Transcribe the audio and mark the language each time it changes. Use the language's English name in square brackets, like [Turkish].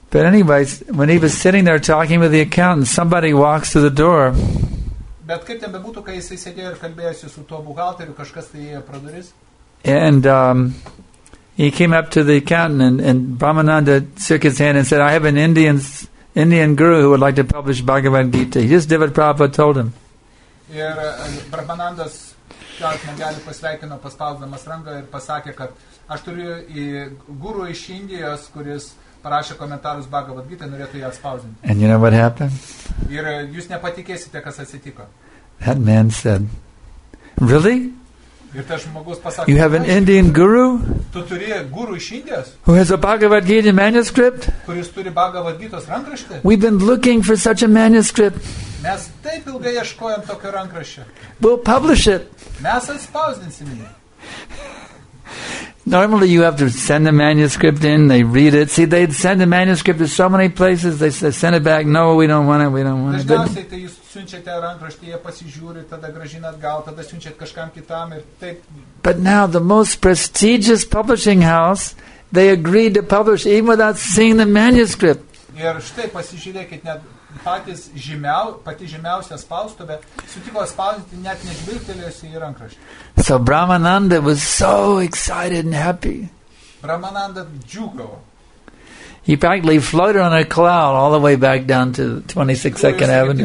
[English] But anyways, when he was sitting there talking with the accountant, somebody walks to the door. [Lithuanian] Bet kaip ten bebūtų, kai jisai sėdėjo ir kalbėjosi su tuo buhalteriu, kažkas tai įėjo praduris. [English] And he came up to the accountant and Brahmananda shook his hand and said, I have an Indian guru who would like to publish Bhagavad Gita. He just David Prabhupada told him. [Lithuanian] Ir Brahmanandas tą žmogelį pasveikino paspausdamas ranką ir pasakė, kad aš turiu į guru iš Indijos, kuris parašė komentarus Bhagavad Gita, norėtų ją atspausdinti. [English] And you know what happened? [Lithuanian] Ir jūs nepatikėsite, kas atsitiko. [English] That man said, really? [Lithuanian] Ir tas žmogus pasakė, [English] you have an Indian guru? [Lithuanian] Tu turi guru iš Indijos? [English] Who has a Bhagavad Gita manuscript? [Lithuanian] Kuris turi Bhagavad Gitos rankraštį? [English] We've been looking for such a manuscript. [Lithuanian] Mes taip ilgai ieškojom tokio rankraščio. [English] We'll publish it. [Lithuanian] Mes atspausdinsim jį. [English] Normally you have to send the manuscript in, they read it. See, they'd send the manuscript to so many places, they send it back, no, we don't want it. [Lithuanian] Dažniausiai, tai jūs siunčiate rankraštį, jie pasižiūri, tada gražina atgal, tada siunčiate kažkam kitam ir taip. [English] But now the most prestigious publishing house, they agreed to publish even without seeing the manuscript. [Lithuanian] Ir štai, pasižiūrėkit, net pati žymiausia spaustuvė sutiko spausdinti net nežvilgtelėjusi į rankraštį. [English] So Brahmananda was so excited and happy. [Lithuanian] Brahmananda džiugavo. [English] He practically floated on a cloud all the way back down to 26 Second Avenue.